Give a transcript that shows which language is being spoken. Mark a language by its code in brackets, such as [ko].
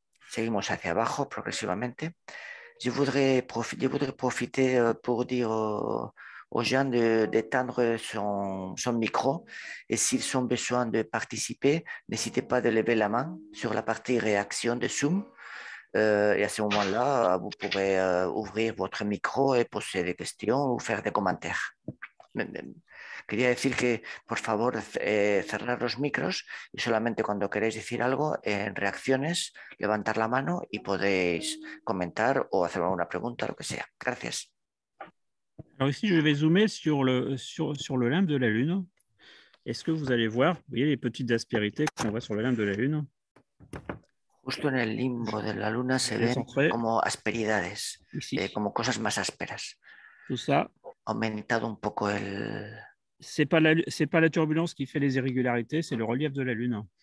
[es] Seguimos hacia abajo progresivamente. [fr] Je voudrais profiter pour dire aux gens d'éteindre son micro. Et s'ils ont besoin de participer, n'hésitez pas de lever la main sur la partie réaction de Zoom. Et à ce moment-là, vous pourrez ouvrir votre micro et poser des questions ou faire des commentaires. [es] Quería decir que, por favor, cerrar los micros y solamente cuando queréis decir algo, en reacciones, levantar la mano y podéis comentar o hacer alguna pregunta, lo que sea. Gracias. [fr] Alors ici, je vais zoomer sur le limbe de la Lune. Est-ce que vous allez voir, vous voyez les petites aspérités qu'on voit sur le limbe de la Lune? [es] Justo en el limbo de la Luna se ven centrer. Como asperidades, como cosas más ásperas. [fr] Tout ça. [es] Aumentado un poco el... [fr] C'est pas la turbulence qui fait les irrégularités, c'est le relief de la Lune.